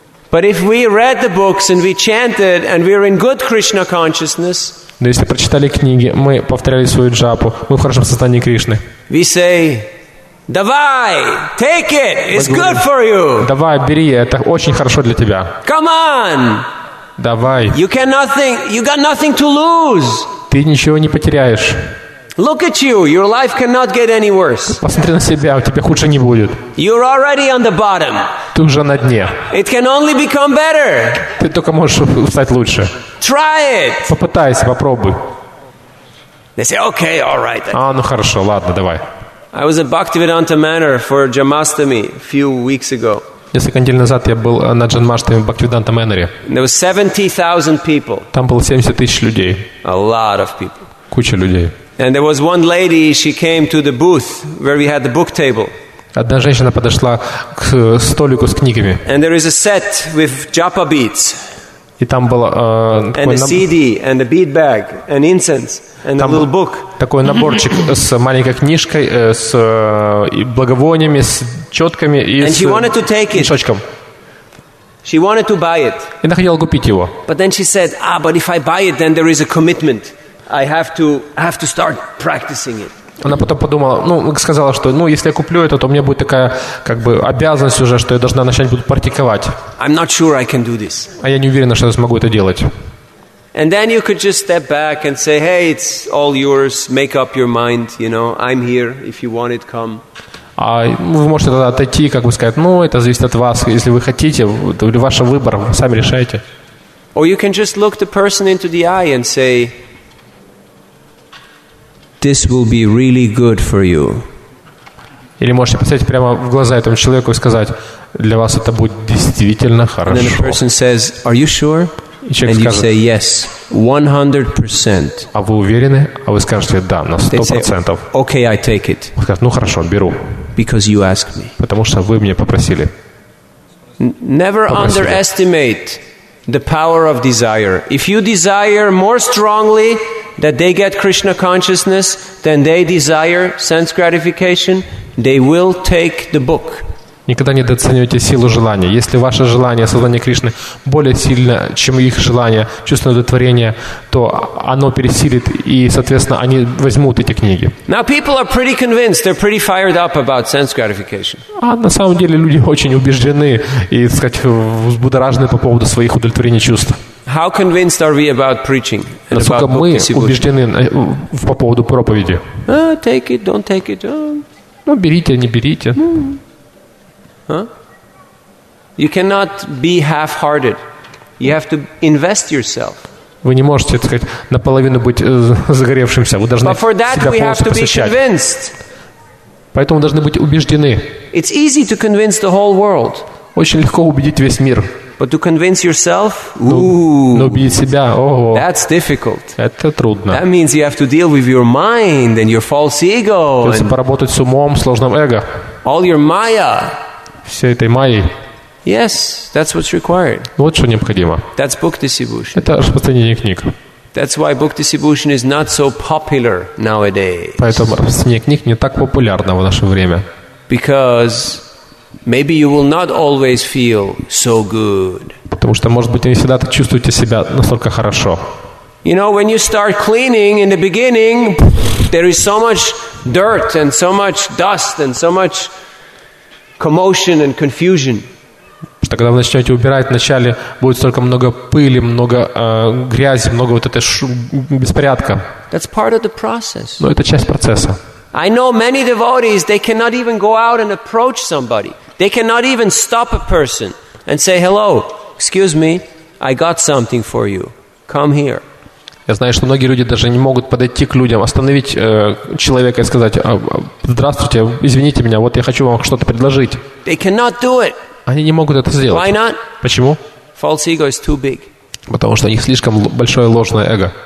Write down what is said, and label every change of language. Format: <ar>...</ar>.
<en>But if we read the books and we chanted and we are in good Krishna consciousness,</en> <ru>но если прочитали книги, мы повторяли свою джапу, мы в хорошем состоянии Кришны.</ru> <en>We say,</en> <ru>давай,</ru> <en>take it, it's good for you.</en> <ru>Давай, бери, это очень хорошо для тебя.</ru> <en>Come on.</en> <ru>Давай.</ru> <en>You can nothing, you got nothing to lose.</en> <ru>Ты ничего не потеряешь.</ru> <en>Look at you, your life cannot get any worse.</en> <ru>Посмотри на себя, у тебя хуже не будет.</ru> <en>You're already on the bottom.</en> <ru>Ты уже на дне.</ru> <en>It can only become better.</en> <ru>Ты только можешь стать лучше.</ru> <en>Try it.</en> <ru>Попытайся, попробуй.</ru> <en>They say, okay, all right.</en> <ru>А, ну хорошо, ладно, давай.</ru> <en>I was at Bhaktivedanta Manor for Jamastami a few weeks ago.</en> <ru>Несколько недель назад я был на Джанмаштами в Бхактивиданта Мэннере.</ru> <en>There was 70,000 people.</en> <ru>Там было 70 тысяч людей.</ru> <en>A lot of people.</en> <ru>Куча людей.</ru> <en>And there was one lady, she came to the booth where we had the book table.</en> <ru>Одна женщина подошла к столику с книгами.</ru> <en>And there is a set with japa beads.</en> <ru>И там было</ru> <en>and a CD and a bead bag and incense and a little book.</en> <ru>Такой наборчик с маленькой книжкой, с благовониями, с четками и</ru> <en>and she wanted to take it. She wanted to buy it.</en> <ru>И она хотела купить его.</ru> <en>But then she said, "Ah, but if I buy it, then there is a commitment. I have to start practicing it."</en> <ru>Она потом подумала, сказала, что, если я куплю это, то у меня будет такая, обязанность уже, что я должна начать буду практиковать.</ru> <en>I'm not sure I can do this.</en> <ru>А я не уверена, что я смогу это делать.</ru> <en>And then you could just step back and say, "Hey, it's all yours. Make up your mind. You know, I'm here. If you want it, come."</en> <ru>А вы можете тогда отойти, сказать, это зависит от вас, если вы хотите, это ваш выбор, вы сами решаете.</ru> <en>Or you can just look the person into the eye and say, "This will be really good for you."</en> <ru>Или можете посмотреть прямо в глаза этому человеку и сказать, для вас это будет действительно хорошо.</ru> <en>And then the person says, "Are you sure?"</en> <ru>И человек</ru> <en>and</en> <ru>скажет,</ru> <en>you say, "Yes, 100%."</en> <ru>А вы уверены? А вы скажете, да, на 100%.</ru> <en>Okay, I take it.</en> <ru>Он скажет, хорошо, беру.</ru> <en>Because you asked me.</en> <ru>Потому что вы меня попросили.</ru> <en>Never underestimate the power of desire. If you desire more strongly, that they get Krishna consciousness, then they desire sense gratification, they will take the book.</en> <ru>Никогда не недооценивайте силу желания. Если ваше желание сознания Кришны более сильно, чем их желание чувственного удовлетворения, то оно пересилит, и, соответственно, они возьмут эти книги.</ru> <en>Now people are pretty convinced, they're pretty fired up about sense gratification.</en> <ru>А на самом деле люди очень убеждены и, так сказать, взбудоражены по поводу своих удовлетворений чувств.</ru> <en>How convinced are we about preaching?</en> <ru>Насколько мы убеждены по поводу проповеди?</ru> <en>Take it, don't take it.</en> <ru>Ну, берите, не берите.</ru> <en>You cannot be half-hearted. You have to invest yourself.</en> <ru>Вы не можете, так сказать, наполовину быть загоревшимся. Вы должны себя полностью посвящать. Поэтому должны быть убеждены.</ru> <en>It's easy to convince the whole world.</en> <ru>Очень легко убедить весь мир.</ru> <en>But to convince yourself,</en> <ru>но убедить себя,</ru> <en>that's difficult.</en> <ru>Это трудно.</ru> <en>That means you have to deal with your mind and your false ego.</en> <ru>Придется поработать с умом, сложным эго.</ru> <en>All your maya.</en> <ru>Всей этой майей.</ru> <en>Yes, that's what's required.</en> <ru>Вот что необходимо.</ru> <en>That's book distribution.</en> <ru>Это распространение книг.</ru> <en>That's why book distribution is not so popular nowadays.</en> <ru>Поэтому распространение книг не так популярно в наше время.</ru> <en>Because maybe you will not always feel so good.</en> <ru>Потому что, может быть, не всегда ты чувствуете себя настолько хорошо.</ru> <en>You know, when you start cleaning in the beginning, there is so much dirt and so much dust and so much commotion and confusion.</en> <ru>Что когда вы начнете убирать, вначале будет столько много пыли, много грязи, много вот этой беспорядка.</ru> <en>That's part of the process.</en> <ru>Но это часть процесса.</ru> <en>I know many devotees, they cannot even go out and approach somebody. They cannot even stop a person and say, hello, excuse me, I got something for you. Come here.</en> <ru>Я знаю, что многие люди даже не могут подойти к людям, остановить человека и сказать, здравствуйте, извините меня, вот я хочу вам что-то предложить.</ru> <en>They cannot do it.</en> <ru>Они не могут это сделать.</ru> <en>Why not?</en> <ru>Почему?</ru> <en>False ego is too big.</en> <ru>Потому что у них слишком большое ложное эго.</ru>